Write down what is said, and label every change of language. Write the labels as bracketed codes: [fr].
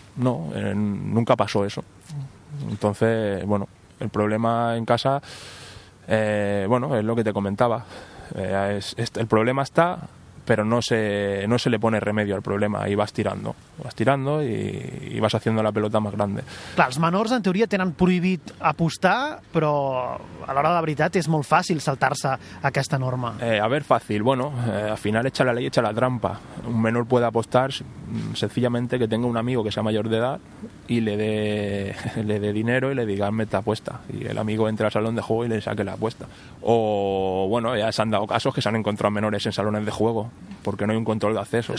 [es] No, nunca pasó eso. Entonces, bueno, el problema en casa, bueno, es lo que te comentaba. El problema está, pero no se le pone remedio al problema, y vas tirando y vas haciendo la pelota más grande. [ca] Clar, els menors en teoria tenen prohibit apostar, però a l'hora de la veritat és molt fàcil saltar-se aquesta norma. [es] A ver, fácil, bueno, al final echa la ley, echa la trampa. Un menor puede apostar sencillamente que tenga un amigo que sea mayor de edad y le dé dinero y le diga, hazme esta apuesta, y el amigo entra al salón de juego y le saque la apuesta. O bueno, ya se han dado casos que se han encontrado menores en salones de juego porque no hay un control de acceso.